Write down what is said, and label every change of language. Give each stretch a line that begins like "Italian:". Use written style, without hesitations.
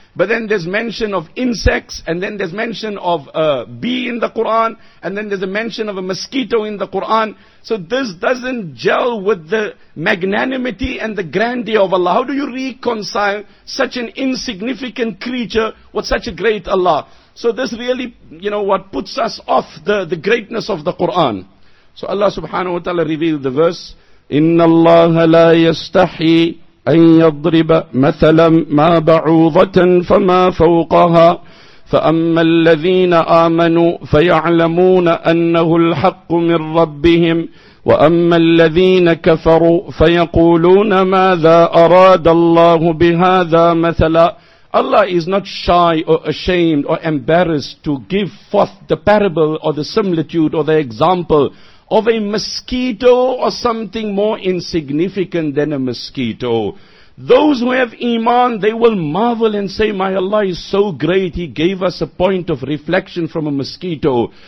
English: But then there's mention of insects, and then there's mention of a bee in the Quran, and then there's a mention of a mosquito in the Quran. So this doesn't gel with the magnanimity and the grandeur of Allah. How do you reconcile such an insignificant creature with such a great Allah? So this really, you know, what puts us off the greatness of the Quran.
Arabic: So Allah subhanahu wa ta'ala revealed the verse, إِنَّ اللَّهَ لَا يَسْتَحِي أن يضرب مثلا ما بعوضة فما فوقها فأما الذين آمنوا فيعلمون أنه الحق من ربهم وأما الذين كفروا فيقولون ماذا أراد الله بهذا مثلا.
English: Allah is not shy or ashamed or embarrassed to give forth the parable or the similitude or the example of a mosquito or something more insignificant than a mosquito. Those who have iman, they will marvel and say, my Allah is so great, He gave us a point of reflection from a mosquito.